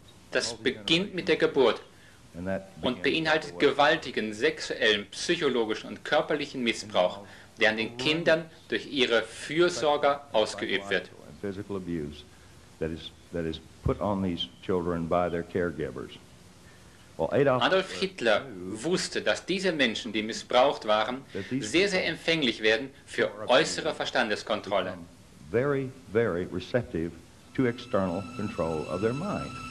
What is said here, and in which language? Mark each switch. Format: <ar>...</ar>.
<de>das beginnt mit der Geburt und beinhaltet gewaltigen sexuellen, psychologischen und körperlichen Missbrauch, der an den Kindern durch ihre Fürsorger ausgeübt wird.</de> <en>Physical abuse that is put on these children by their caregivers.</en> <de>Adolf Hitler wusste, dass diese Menschen, die missbraucht waren, sehr, sehr empfänglich werden für äußere Verstandeskontrolle.</de> <en>Very, very receptive to external control of their mind.</en>